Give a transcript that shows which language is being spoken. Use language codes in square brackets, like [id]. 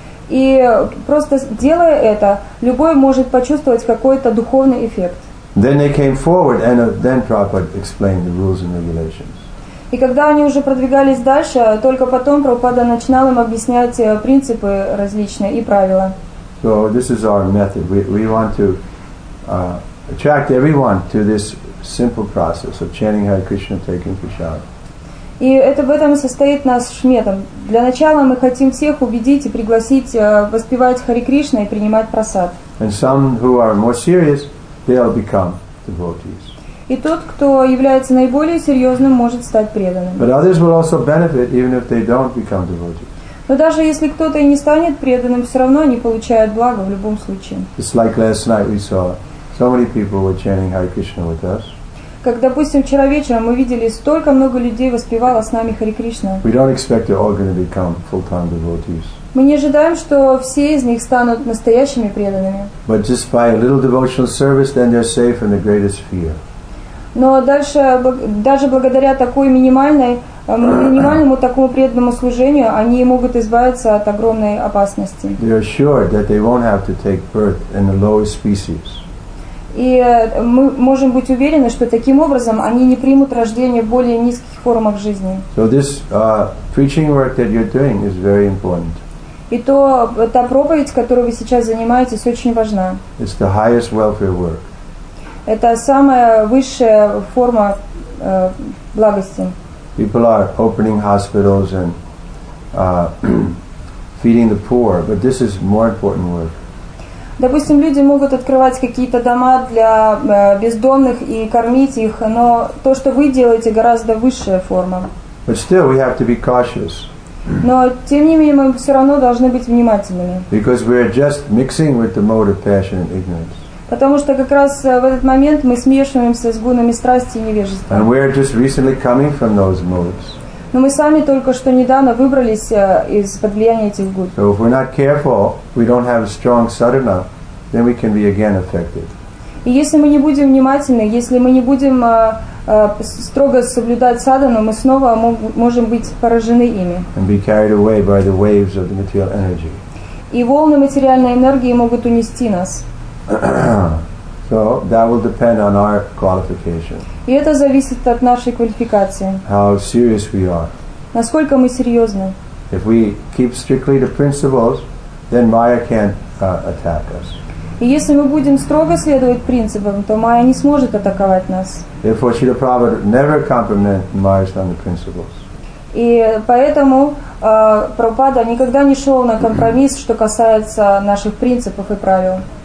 [ru] И просто делая это, любой может почувствовать какой-то духовный эффект. [en] Then they came forward, and then Prabhupada explained the rules and regulations. [ru] И когда они уже продвигались дальше, только потом Прабхупада начинал им объяснять принципы различные и правила. [en] So this is our method. We want to attract everyone to this simple process of chanting Hare Krishna, taking prasadam. [ru] И это в этом состоит наш метод. Для начала мы хотим всех убедить и пригласить воспевать Хари Кришна и принимать прасад. [en] And some who are more serious, they'll become devotees. [ru] И тот, кто является наиболее серьезным, может стать преданным. [en] But others will also benefit, even if they don't become devotees. [ru] Но даже если кто-то и не станет преданным, все равно они получают благо в любом случае. [en] It's like last night we saw so many people were chanting Hare Krishna with us. [ru] Как, допустим, вчера вечером мы видели, столько много людей воспевало с нами Хари Кришна. [en] We don't expect they're all going to become full-time devotees. [ru] Мы не ожидаем, что все из них станут настоящими преданными. [en] But just by a little devotional service, then they're safe in the greatest fear. [ru] Но дальше, даже благодаря такой минимальному такому преданному служению, они могут избавиться от огромной опасности. [en] They're assured that they won't have to take birth in the lowest species. [ru] И мы можем быть уверены, что таким образом они не примут рождение в более низких формах жизни. [en] So this preaching work that you're doing is very important. [ru] И то, та проповедь, которой вы сейчас занимаетесь, очень важна. [en] It's the highest welfare work. [ru] Это самая высшая форма благости. [en] People are opening hospitals and feeding the poor, but this is more important work. [ru] Допустим, люди могут открывать какие-то дома для бездомных и кормить их, но то, что вы делаете, гораздо высшая форма. [en] But still we have to be cautious. [ru] Но, тем не менее, мы все равно должны быть внимательными. [en] Because we are just mixing with the mode of passion and ignorance. [ru] Потому что как раз в этот момент мы смешиваемся с гунами страсти и невежества. [en] And we are just recently coming from those modes. [ru] Но мы сами только что недавно выбрались из-под влияния этих гун. [en] So if we're not careful, we don't have a strong sadhana, then we can be again affected. [ru] И если мы не будем внимательны, если мы не будем строго соблюдать садхану, мы снова можем быть поражены ими. [en] And be carried away by the waves of the material energy. [ru] И волны материальной энергии могут унести нас. [en] So that will depend on our qualification. [ru] И это зависит от нашей квалификации. [en] How serious we are. [ru] Насколько мы серьезны. [en] If we keep strictly the principles, then Maya can't attack us. [ru] И если мы будем строго следовать принципам, то Майя не сможет атаковать нас. [en] Therefore, Srila Prabhupada never complimented Maya on the principles. [ru] И поэтому Прабхупада никогда не шел на компромисс, что касается наших принципов и правил.